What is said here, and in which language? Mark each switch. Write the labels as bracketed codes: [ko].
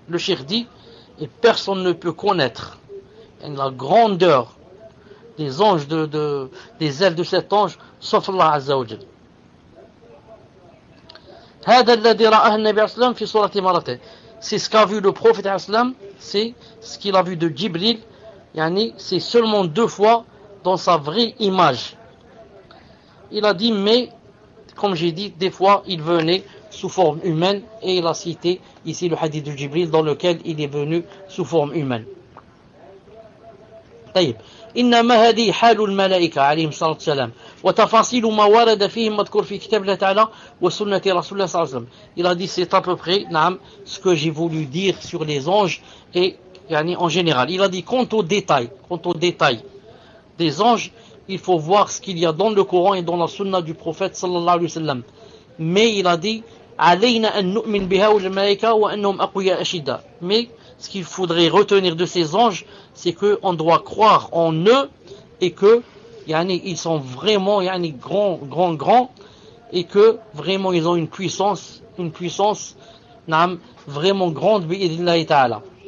[fr] Le Cheikh dit, et personne ne peut connaître la grandeur des anges, des ailes de cet ange, sauf Allah Azza wa Jalla. [ar] هذا الذي رآه النبي صلى الله عليه وسلم في سورة إمارته. [fr] C'est ce qu'a vu le prophète, c'est ce qu'il a vu de Jibril, c'est seulement deux fois dans sa vraie image. Il a dit, mais comme j'ai dit, des fois il venait sous forme humaine, et il a cité ici le hadith de Jibril dans lequel il est venu sous forme humaine. [ar] طيب انما هذه حال الملائكه عليهم الصلاه والسلام وتفاصيل ما ورد فيه مذكور في كتاب الله تعالى وسنه رسول الله صلى الله عليه وسلم. [fr] Il a dit, c'est à peu près ce que j'ai voulu dire sur les anges et en général. Il a dit, quant aux détails des anges, il faut voir ce qu'il y a dans le Coran et dans la sunna du prophète sallallahu alayhi wa sallam. Mais il a dit, [ar] علينا ان نؤمن بها والملائكه وانهم اقوياء اشداء. [fr] Mais ce qu'il faudrait retenir de ces anges, c'est qu'on doit croire en eux et que ils sont vraiment grands, et que vraiment ils ont une puissance naam, vraiment grande bi'idhnillahi ta'ala.